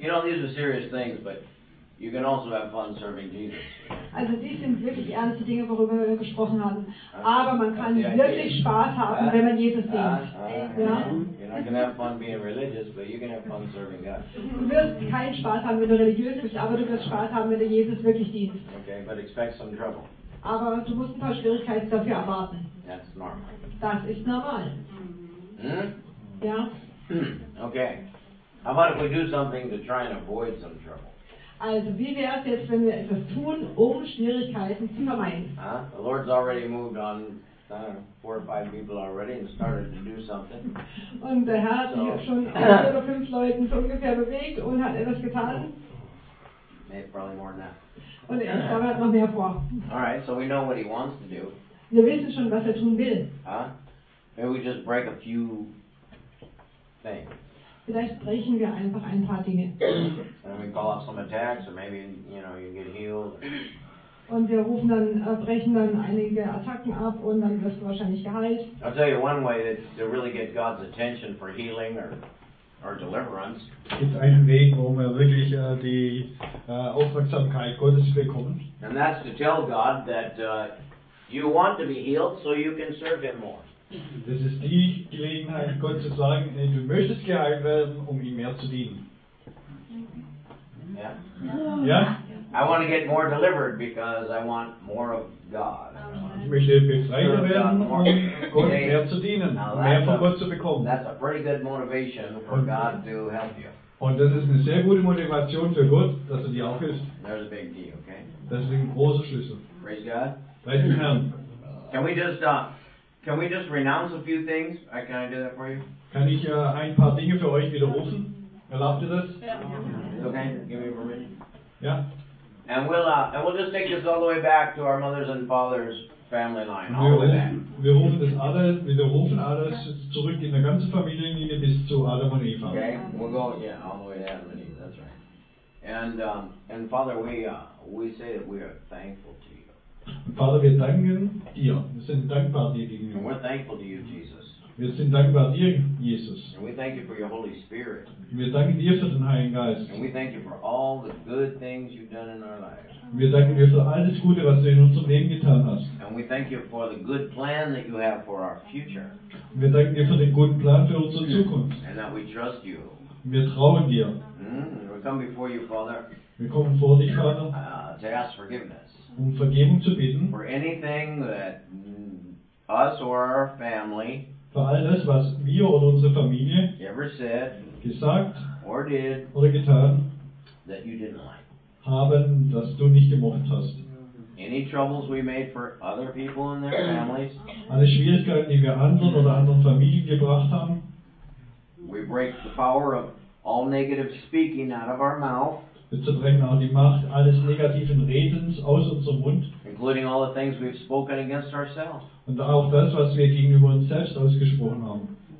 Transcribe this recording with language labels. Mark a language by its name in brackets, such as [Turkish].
[English] You know, these are serious things, but you can also have fun serving Jesus. [German] Also, dies sind wirklich ernste Dinge, worüber wir gesprochen haben. Aber man kann wirklich Spaß haben, wenn man Jesus dient. [English] You can have fun being religious, but you can have fun serving God. [German] Du wirst keinen Spaß haben, wenn du religiös bist, aber du wirst Spaß haben, wenn du Jesus wirklich dienst. [English] Okay, but expect some trouble. [German] Aber du musst ein paar Schwierigkeiten dafür erwarten. [English] That's normal. [German] Das ist normal. Ja. [English] Okay. How about if we do something to try and avoid some trouble? [German] Also, wie wäre es jetzt, wenn wir etwas tun, um Schwierigkeiten zu vermeiden? [English] The Lord's already moved on 4 or 5 people already and started to do something. [German] Und der Herr hat sich schon 4 oder 5 Leuten so ungefähr bewegt und hat etwas getan. [English] Maybe probably more than that. [German] Und ich glaube, er hat noch mehr vor. [English] Alright, so we know what he wants to do. [German] Wir wissen schon, was er tun will. [English] Maybe we just break a few things. [German] Vielleicht brechen wir einfach ein paar Dinge. [English] And we call out some attacks, or maybe, you know, you get healed. [German] Und wir rufen dann, brechen dann einige Attacken ab und dann wirst du wahrscheinlich geheilt. [English] I'll tell you one way that to really get God's attention for healing or deliverance. [German] Gibt einen Weg, wo man wirklich die Aufmerksamkeit Gottes bekommt. [English] And that's to tell God that you want to be healed so you can serve him more. [German] Das ist die Gelegenheit, Gott zu sagen, hey, du möchtest geheilt werden, um ihm mehr zu dienen. [English] I want to get more delivered because I want more of God. [German] Ich möchte befreit werden, um Gott mehr zu dienen, mehr von Gott zu bekommen. [English] That's a pretty good motivation for God to help you. [German] Und das ist eine sehr gute Motivation für Gott, dass er dir auch hilft. [English] There's a big key, okay? [German] Das ist ein großer Schlüssel. [English] Praise God. Praise the Lord. Can we just renounce a few things? Can I do that for you? [German] Kann ich ein paar Dinge für euch widerrufen? Erlaubt ihr das? Ja. [English] Okay, give me a permission. Yeah. And we'll just take this all the way back to our mothers and fathers' family line. [German] Wir rufen alles zurück in der ganzen Familienlinie bis zu Adam und Eva. [English] Okay, we'll go, all the way to Adam and Eva, that's right. And Father, we say that we are thankful to you. [German] Vater, wir danken dir. Wir sind dankbar dir gegenüber. [English] And we're thankful to you, Jesus. [German] Wir sind dankbar dir, Jesus. [English] And we thank you for your Holy Spirit. [German] Wir danken dir für den Heiligen Geist. [English] And we thank you for all the good things you've done in our lives. [German] Wir danken dir für alles Gute, was du in unserem Leben getan hast. [English] And we thank you for the good plan that you have for our future. [German] Wir danken dir für den guten Plan für unsere Zukunft. [English] And that we trust you. [German] Wir trauen dir. [English] We come before you, Father. [German] Wir kommen vor dich, Vater. [English] To ask forgiveness. [German] Um Vergebung zu bitten. [English] For anything that us or our family [German] für all das, was wir oder unsere Familie [English] said, [German] gesagt [English] or did, [German] oder getan [English] that you didn't like. [German] Haben, das du nicht gemocht hast. [English] Any troubles we made for other people and their families, [German] alle Schwierigkeiten, die wir anderen oder anderen Familien gebracht haben, [English] we break the power of all negative speaking out of our mouth. [German] Wir zerbrechen auch die Macht alles negativen Redens aus unserem Mund. [English] Including all the things we've spoken against ourselves. [German] Und auch das, was wir gegenüber uns selbst ausgesprochen haben.